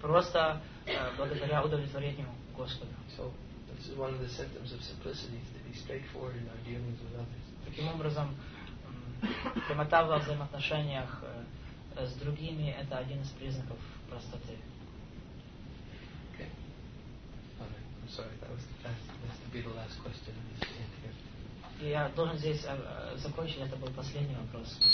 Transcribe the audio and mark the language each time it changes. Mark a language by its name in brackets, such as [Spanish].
[Russian] Просто благодаря удовлетворению Господа. [English] So this is one of the symptoms of simplicity, to be straightforward in our dealings with others. [Russian] Таким образом, прямота во взаимоотношениях с другими – это один из признаков простоты. [English] Okay. All right. I'm sorry. That was the last. That's to be the last question in this interview. [Russian] я должен здесь закончить, это был последний вопрос.